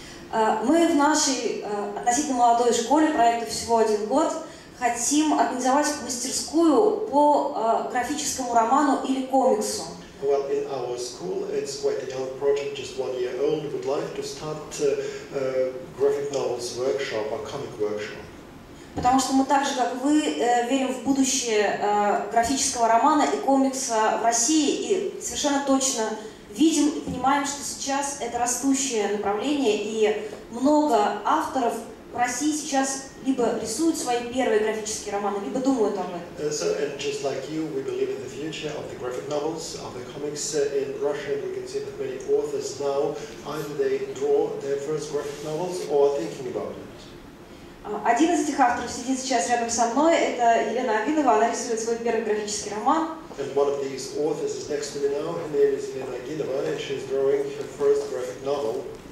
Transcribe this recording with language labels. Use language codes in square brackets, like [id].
[ru] Мы в нашей относительно молодой школе, проекту всего один год, хотим организовать мастерскую по графическому роману или комиксу. [en] Well, in our school, it's quite a young project, just 1 year old. We'd like to start a graphic novels workshop, a comic workshop. [ru] Потому что мы так же, как вы, верим в будущее графического романа и комикса в России и совершенно точно видим и понимаем, что сейчас это растущее направление, и много авторов в России сейчас либо рисуют свои первые графические романы, либо думают об этом. [en] So, and just like you, we believe in the future of the graphic novels, of the comics in Russia. We can see that many authors now, either they draw their first graphic novels or are thinking about it. [ru] Один из этих авторов сидит сейчас рядом со мной, это Елена Агинова, она рисует свой первый графический роман. [en] And one of these authors is next to me now, her name is Elena Agidova, and she's drawing her first graphic novel.